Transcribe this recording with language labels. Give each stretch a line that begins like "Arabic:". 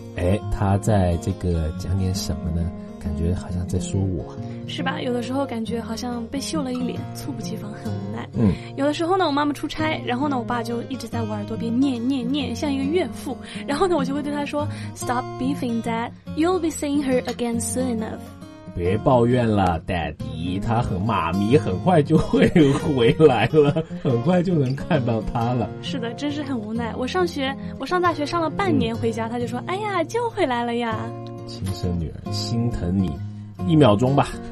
Chinese: 哎，他在这个讲点什么呢？感觉好像在说我。是吧，有的时候感觉好像被秀了一脸，猝不及防，很无奈。嗯，有的时候呢，我妈妈出差，然后呢，我爸就一直在我耳朵边念念念，像一个怨妇。然后呢，我就会对他说 ：
English: “Stop beefing, Dad. You'll be seeing her again soon enough.”
Chinese: 别抱怨了 ，Daddy， 他很妈咪，很快就会回来了，很快就能看到他了。是的，真是很无奈。我上大学上了半年，回家、嗯、他就说：“哎呀，就回来了呀。” 亲生女儿，心疼你。一秒钟吧。